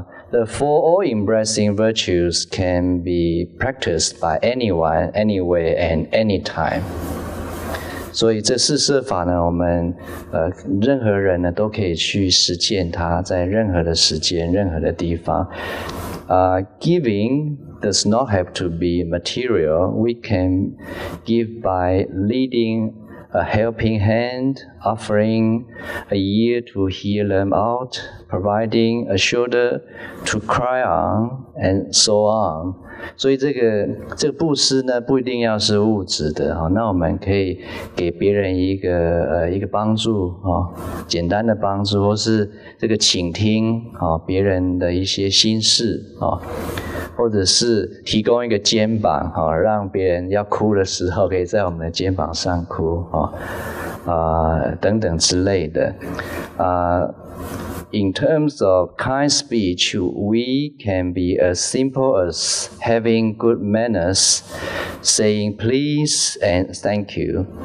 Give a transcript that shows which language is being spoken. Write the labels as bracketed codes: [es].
[en] The four all-embracing virtues can be practiced by anyone, anywhere, and anytime. [zh] 所以这四摄法呢，我们任何人呢都可以去实践它，在任何的时间、任何的地方。 [en] Giving does not have to be material. We can give by leading a helping hand, offering a ear to hear them out, providing a shoulder to cry on, and so on. [zh] 所以这个布施呢，不一定要是物质的哈、哦。那我们可以给别人一个帮助哈、哦，简单的帮助，或是这个倾听啊、哦、别人的一些心事啊、哦，或者是提供一个肩膀哈、哦，让别人要哭的时候可以在我们的肩膀上哭哈、哦，等等之类的啊。 [en] In terms of kind speech, we can be as simple as having good manners, saying please and thank you.